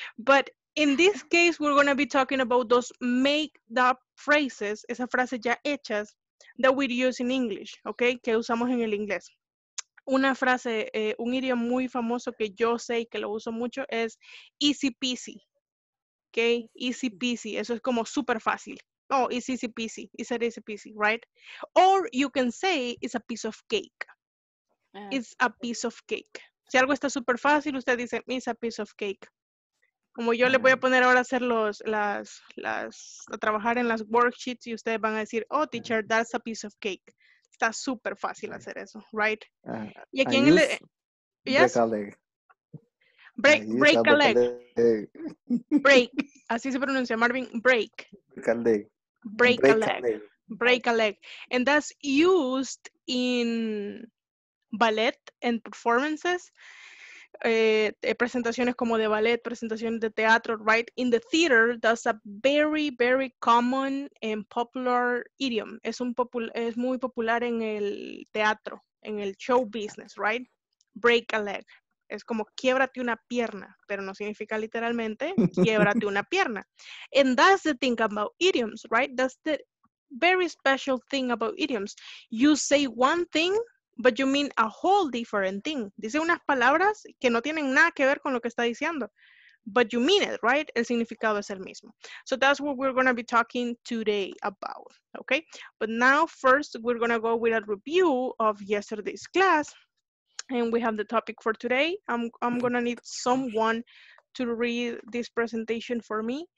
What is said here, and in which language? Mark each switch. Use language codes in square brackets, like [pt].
[en] But in this case, we're going to be talking about those made-up phrases, [es] esas frases ya hechas, [en] that we use in English, okay? [es] Que usamos en el inglés. Una frase, un idioma muy famoso que yo sé y que lo uso mucho es easy peasy. Okay, easy peasy, eso es como super fácil. [en] Oh, easy peasy, it's an easy peasy, right? Or you can say it's a piece of cake. It's a piece of cake. [es] Si algo está super fácil, usted dice [en] it's a piece of cake. [es] Como yo le voy a poner ahora a hacer a trabajar en las worksheets y ustedes van a decir, oh, [en] teacher, that's a piece of cake. [es] Está super fácil hacer eso, right? Y aquí [en] Yes. Break a leg. Break. [es] Así se pronuncia, [en] Marvin. Break. Break a leg. And that's used in ballet and performances. [es] Presentaciones como de ballet, presentaciones de teatro, right? [en] In the theater, that's a very, very common and popular idiom. [es] Es muy popular en el teatro, en el show business, right? [en] Break a leg. [es] Es como quiébrate una pierna, pero no significa literalmente quiébrate una pierna. [en] And that's the thing about idioms, right? That's the very special thing about idioms. You say one thing, but you mean a whole different thing. [es] Dice unas palabras que no tienen nada que ver con lo que está diciendo. [en] But you mean it, right? [es] El significado es el mismo. [en] So that's what we're going to be talking today about, okay? But now first we're going to go with a review of yesterday's class. And we have the topic for today. I'm gonna need someone to read this presentation for me.